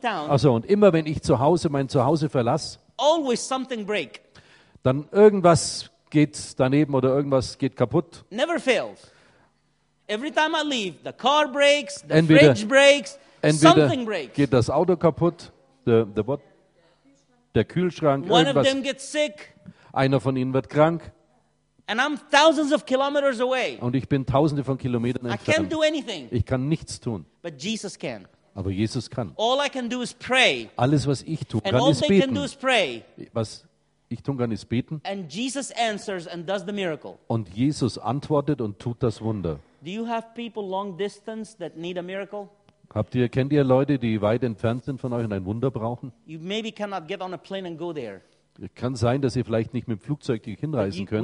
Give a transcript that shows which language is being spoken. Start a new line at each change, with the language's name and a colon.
German: Also und immer wenn ich mein Zuhause verlasse.
English: Always something break.
German: Dann irgendwas geht daneben oder irgendwas geht kaputt.
English: Never fails. Every time I leave, the car breaks, the fridge breaks.
German: Entweder geht das Auto kaputt, der Kühlschrank,
English: one
German: irgendwas.
English: Of them gets sick,
German: einer von ihnen wird krank.
English: And I'm thousands of kilometers away.
German: Und ich bin tausende von Kilometern entfernt.
English: I can't do anything,
German: ich kann nichts tun.
English: But Jesus can.
German: Aber Jesus kann.
English: All I can do is pray.
German: Alles, was ich tun kann,
English: and
German: ist beten.
English: Can do is pray.
German: Was ich tun kann, ist beten.
English: And Jesus answers and does the miracle.
German: Und Jesus antwortet und tut das Wunder.
English: Do you have people long distance that need a miracle?
German: Kennt ihr Leute, die weit entfernt sind von euch und ein Wunder brauchen?
English: You maybe cannot get on a plane and go there.
German: Es kann sein, dass ihr vielleicht nicht mit dem Flugzeug hinreisen könnt.